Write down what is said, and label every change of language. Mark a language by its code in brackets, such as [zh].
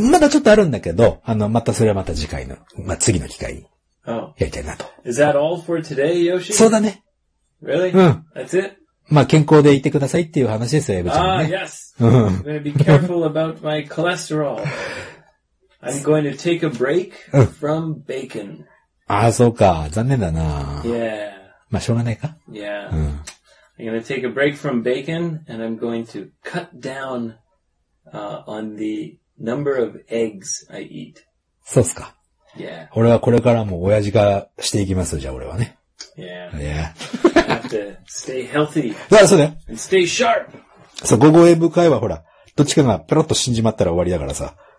[ja] まだちょっとあるんだけど、またそれはまた次回の、まあ、次の機会にやりたいなと。 [en] Oh. Is that all for today, Yoshi? [ja] そうだね。 [en] Really? [ja] うん。 [en] That's it? [ja] まあ、健康でいてくださいっていう話ですよ、エブちゃんね。 [en] Ah, yes! I'm gonna be careful about my cholesterol. I'm going to take a break from bacon. [ja] ああ、そうか。残念だな。 [en] Yeah. [ja] まあ、しょうがないか。 [en] Yeah. I'm gonna take a break from bacon, and I'm going to cut downon the number of eggs I eat. [ja] そうっすか。 [en] Yeah. [ja] 俺はこれからも親父からしていきますじゃあ俺はね。 [en] Yeah. Yeah. I have to stay healthy. [ja] そうだ。 [en] And stay sharp. [ja] そう、午後英語会話ほら、どっちかがペロッと死んじまったら終わりだからさ。